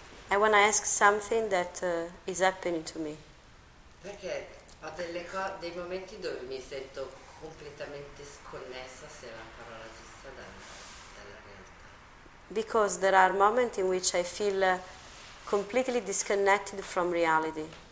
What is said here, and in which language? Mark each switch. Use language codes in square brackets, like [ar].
[en] I ask something that is happening to me. [it] Perché ho delle dei momenti dove mi sento completamente sconnessa se la parola giusta dalla realtà. [en] Because there are moments in which I feel completely disconnected from reality.